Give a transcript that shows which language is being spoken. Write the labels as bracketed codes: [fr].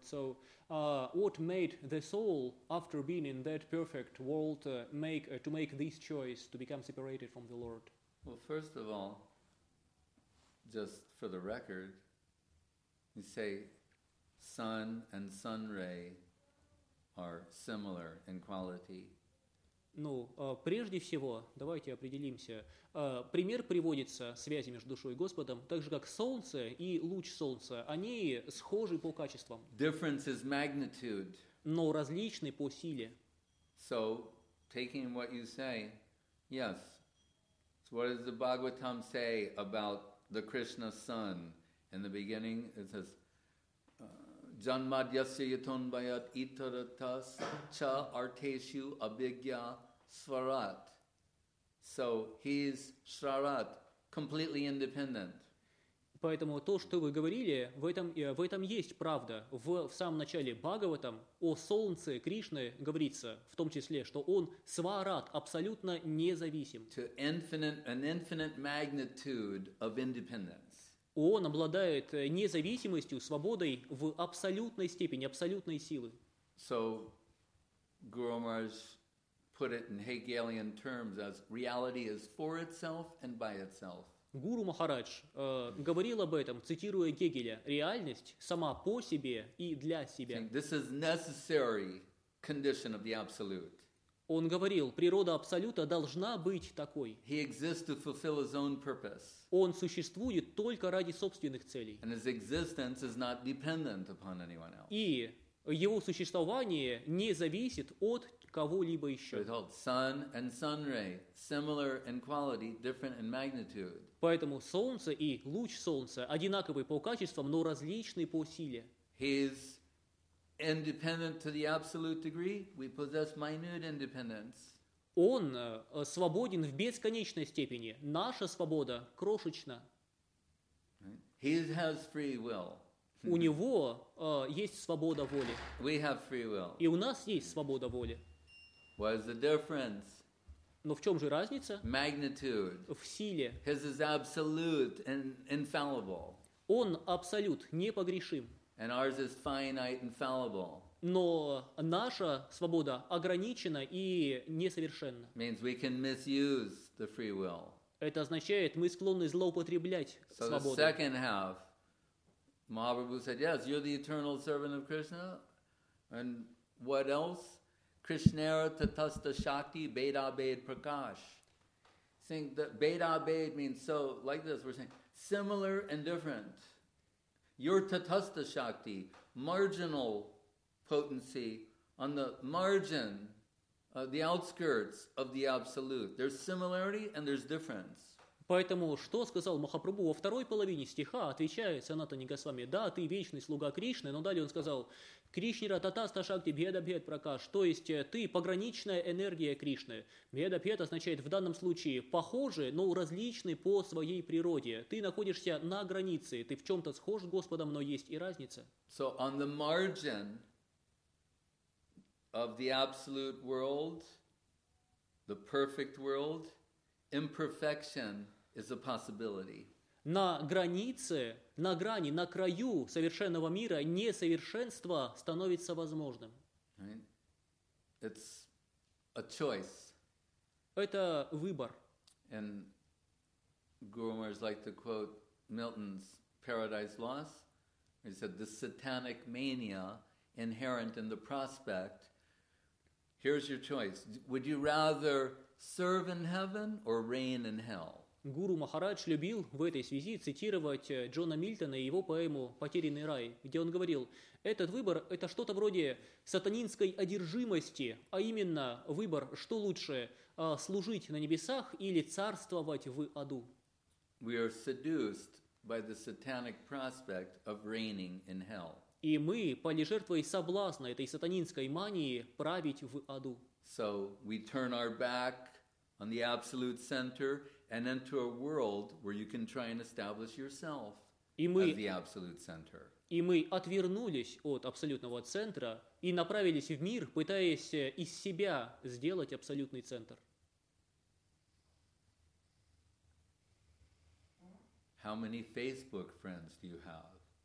[en] So what made the soul, after being in that perfect world, make this choice to become separated from the Lord? Well, first of all, just for the record, you say sun and sun ray are similar in quality. [ru] Ну, прежде всего, давайте определимся. Пример приводится связи между душой и Господом, так же как солнце и луч солнца, они схожи по качествам. [en] Difference is magnitude. [ru] Но различны по силе. [en] So, taking what you say, yes. So what does the Bhagavatam say about the Krishna sun? In the beginning, it says, [sa] Janmadyasya yatonbayat itaratas cha arteshu abhigya. Swarat. [en] So he's Sharad, completely independent. [ru] Поэтому то, что вы говорили, в этом есть правда. В самом начале Бхагаватам о солнце Кришны говорится, в том числе, что он Сварат, абсолютно независим. [en] To an infinite magnitude of independence. [ru] Он обладает независимостью, свободой в абсолютной степени, абсолютной силы. [en] So Guru Maharaj put it in Hegelian terms as reality is for itself and by itself. [ru] Гуру Махарадж говорил об этом, цитируя Гегеля: реальность сама по себе и для себя. [en] This is necessary condition of the absolute. [ru] Он говорил: природа абсолюта должна быть такой. [en] He exists to fulfill his own purpose. [ru] Он существует только ради собственных целей. [en] And his existence is not dependent upon anyone else. [ru] И его существование не зависит от кого-либо еще. [en] It's called sun and sun ray, similar in quality, different in magnitude. [ru] Поэтому солнце и луч солнца одинаковы по качествам, но различны по силе. [en] He's independent to the absolute degree. We possess minute independence. [ru] Он свободен в бесконечной степени. Наша свобода крошечна. [en] He has free will. [ru] У него есть свобода воли. [en] We have free will. [ru] И у нас есть свобода воли. [en] What is the difference? [ru] Но в чем же разница? [en] Magnitude. [ru] В силе. [en] His is absolute and infallible. [ru] Он абсолют, непогрешим. [en] And ours is finite and fallible. [ru] Но наша свобода ограничена и несовершенна. [en] Means we can misuse the free will. [ru] Это означает, мы склонны злоупотреблять [en] so [ru] свободой. [en] The second half, Mahaprabhu said, yes, you're the eternal servant of Krishna. And what else? [sa] Krishnara tatasta shakti beda bed prakash. [en] Saying that beda bed means so, like this, we're saying similar and different. Your tatasta shakti, marginal potency on the margin, the outskirts of the absolute. There's similarity and there's difference. [ru] Поэтому, что сказал Махапрабху во второй половине стиха, отвечая Санатане Госвами, да, ты вечный слуга Кришны, но далее он сказал, [sa] Кришнира татаста шакти бхеда бхед пракаш, [ru] то есть ты пограничная энергия Кришны. Бхеда бхед означает в данном случае похожи, но различны по своей природе. Ты находишься на границе, ты в чем-то схож с Господом, но есть и разница. [en] So on the margin of the absolute world, the perfect world, imperfection is a possibility. [ru] На границе, на грани, на краю совершенного мира несовершенство становится возможным. [en] Right? It's a choice. [ru] Это выбор. [en] And Guru Maharaj liked to quote Milton's Paradise Lost. He said, the satanic mania inherent in the prospect. Here's your choice. Would you rather serve in heaven or reign in hell? [ru] Гуру Махарадж любил в этой связи цитировать Джона Мильтона и его поэму «Потерянный рай», где он говорил, этот выбор – это что-то вроде сатанинской одержимости, а именно выбор, что лучше – служить на небесах или царствовать в аду. [en] We are seduced by the satanic prospect of reigning in hell. [ru] И мы, полежертвой соблазна этой сатанинской мании, править в аду. [en] So we turn our back on the absolute center and enter a world where you can try and establish yourself as the absolute center. [ru] И мы отвернулись от абсолютного центра и направились в мир, пытаясь из себя сделать абсолютный центр. [en] How many Facebook friends do you have?